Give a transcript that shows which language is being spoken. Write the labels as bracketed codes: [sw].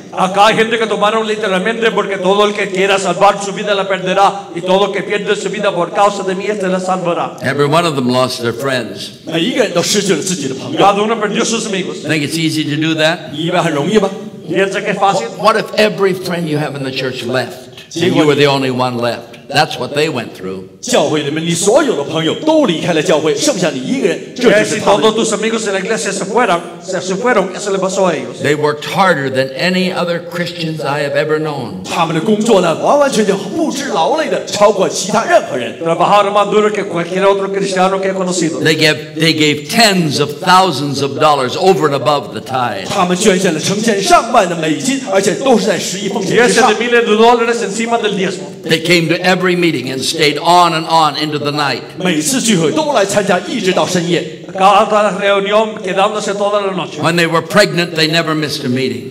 [es] acá hay gente que tomaron literalmente porque todo el que quiera salvar su vida la perderá y todo el que pierde su vida por causa de mí este la salvará [en] every one of them lost their friends [zh] 每一个人都失去了自己的朋友 [es] cada uno perdió sus amigos [en] think it's easy to do that [zh] 你以为很容易吗 [es] piensa que es fácil [en] what if every friend you have in the church left and you were the only one leftThat's what they went through. [zh] 教会里面，你所有的朋友都离开了教会，剩下你一个人。这就是他们。 [es] Si todos tus amigos en la iglesia se fueron, eso le pasó a ellos. [en] They worked harder than any other Christians I have ever known. [zh] 他们的工作呢，完完全全不知劳累的，超过其他任何人。 [es] Trabajaron más duro que cualquier otro cristiano que he conocido. [en] They gave tens of thousands of dollars over and above the tithe. [zh] 他们捐献了成千上万的美金，而且都是在十一奉献之上。 [es] Y ese de miles de dólares encima del diezmo. [en] They came to every every meeting and stayed on and on into the night. [zh] 每次聚会都来参加，一直到深夜。 [en] When they were pregnant, they never missed a meeting.